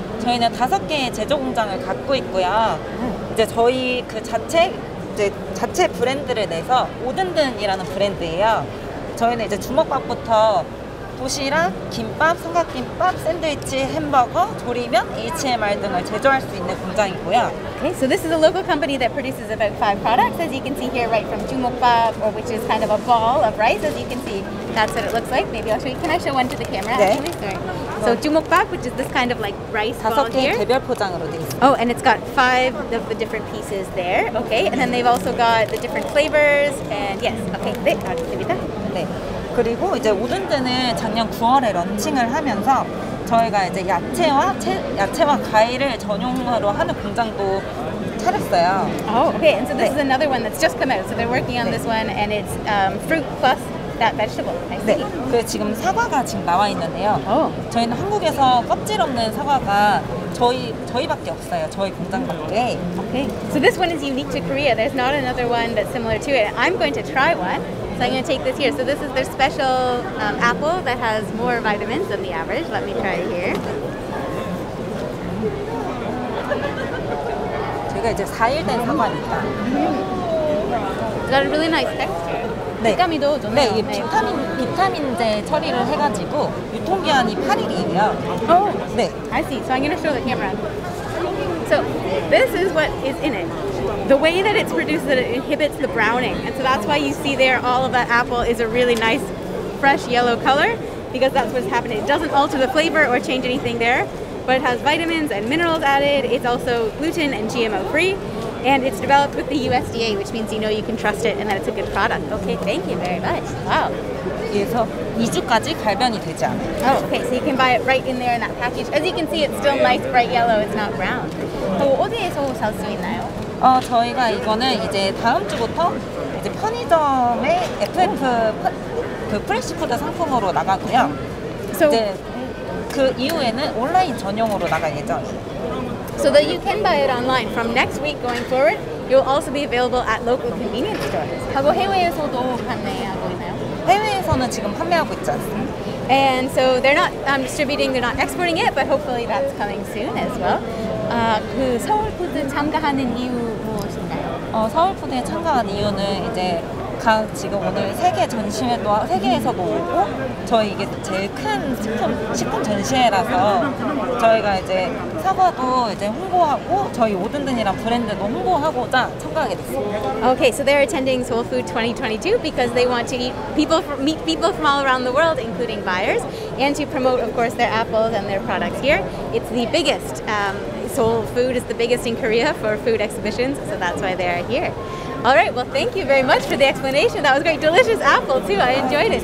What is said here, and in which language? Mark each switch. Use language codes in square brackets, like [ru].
[ko] 저희는 5개의 제조 공장을 갖고 있고요. 이제 저희 그 자체 브랜드를 내서 오든든이라는 브랜드예요. 저희는 이제 주먹밥부터 도시락, 김밥, 삼각김밥, 샌드위치, 햄버거, 조리면, HMR 등을 제조할 수 있는 공장이고요. [en] Okay, so this is a local company that produces about 5 products, as you can see here, right from jumokbap, or which is kind of a ball of rice, as you can see. That's what it looks like. Maybe I'll show you. Can I show one to the camera? [ko] 네. [en] So jumokbap, which is this kind of like rice ball here. [ko] 5개의 개별 포장으로 돼 있어요. [en] Oh, and it's got 5 of the different pieces there. Okay, and then they've also got the different flavors. And yes, okay, [ko] 네, 알겠습니다. 네. 그리고 이제 오든든은 작년 9월에 런칭을 하면서 저희가 이제 야채와 과일을 전용으로 하는 공장도 차렸어요. [en] Oh, okay. And so this [ko] 네. [en] is another one that's just come out. So they're working on [ko] 네. [en] this one, and it's fruit plus that vegetable. I see. [ko] 네. 그 지금 사과가 지금 나와 있는데요. [en] Oh. [ko] 저희는 한국에서 껍질 없는 사과가 저희밖에 없어요. 저희 공장밖에. [en] Okay. So this one is unique to Korea. There's not another one that's similar to it. I'm going to try one. So I'm going to take this here. So this is their special apple that has more vitamins than the average. Let me try it here. [ko] 제가 이제 4일 된 사과입니다. [en] It's got a really nice texture. [ko] 네. 식감이도 좋네요. 네, 비타민제 처리를 해가지고 유통기한이 8일이에요. [en] Oh, [ko] 네. [en] I see. So I'm going to show the camera. So this is what is in it. The way that it's produced, that it inhibits the browning. And so that's why you see there all of that apple is a really nice, fresh yellow color, because that's what's happening. It doesn't alter the flavor or change anything there, but it has vitamins and minerals added. It's also gluten and GMO free. And it's developed with the USDA, which means you know you can trust it and that it's a good product. Okay, thank you very much. Wow. [ko] 그래서 2주까지 갈변이 되지 않아요. [en] Oh, okay, so you can buy it right in there in that package. As you can see, it's still nice, bright yellow. It's not brown. [ko] So 어디에서 살 수 있나요? 저희가 이거는 이제 다음 주부터 이제 편의점의 FF 그 프레시푸드 상품으로 나가고요. [en] So, [ko] 이제 그 이후에는 온라인 전용으로 나갈 예정이에요. [en] So that you can buy it online from next week going forward, you'll also be available at local convenience stores. [ko] 하고 해외에서도 판매하고 있나요? 해외에서는 지금 판매하고 있지 않습니다. [en] And so they're not distributing, they're not exporting it, but hopefully that's coming soon as well. [ko] 그 서울푸드 참가하는 이유 무엇인가요? 서울푸드에 참가한 이유는 이제 지금 오늘 세계 전시회도 세계에서도 오고 저희 이게 제일 큰 식품 전시회라서 저희가 이제 사과도 이제 홍보하고 저희 오든든이랑 브랜드도 홍보하고자 참가하게 됐습니다. [en] Okay, so they're attending Seoul Food 2022 because they want to meet people from all around the world, including buyers, and to promote, of course, their apples and their products here. It's the biggest. Seoul Food is the biggest in Korea for food exhibitions, so that's why they are here. All right, well, thank you very much for the explanation. That was great. Delicious apple, too. I enjoyed it.